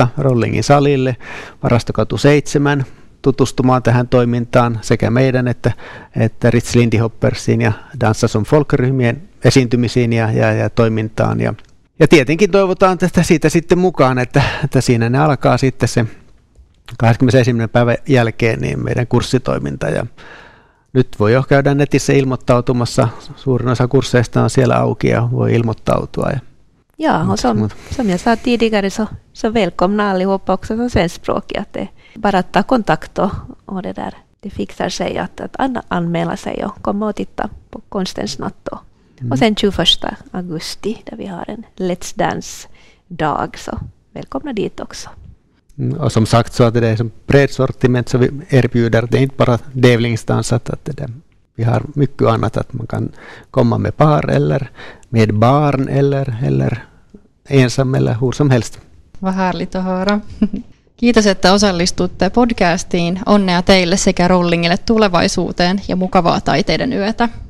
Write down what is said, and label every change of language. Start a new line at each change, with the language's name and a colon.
Finnish: Rollingin salille, Varastokatu 7, tutustumaan tähän toimintaan sekä meidän että Ritz Lindy Hoppersiin ja Dansas on Folk-ryhmien esiintymisiin ja toimintaan. Ja tietenkin toivotaan tästä siitä sitten mukaan, että siinä ne alkaa sitten se 21. päivän jälkeen niin meidän kurssitoiminta. Ja nyt voi jo käydä netissä ilmoittautumassa. Suurin osa kursseista on siellä auki ja voi ilmoittautua.
Swedish: Joo, som jag sa tidigare så välkomna allihopa också som svenskspråkiga att bara ta kontakt och det där, det fixar sig att anmäla sig och komma och titta på konstens natt. Och sen 21 augusti där vi har en Let's Dance-dag så välkomna dit också. Och som sagt så att det är en bred sortiment som vi erbjuder, det är inte bara dävlingsdans att det är. Vi har mycket annat att man kan komma med par eller med barn eller ensam eller hur som helst. Vad härligt att höra.
Finnish: Kiitos, että osallistutte podcastiin. Onnea teille sekä Rollingille tulevaisuuteen ja mukavaa Taiteiden yötä.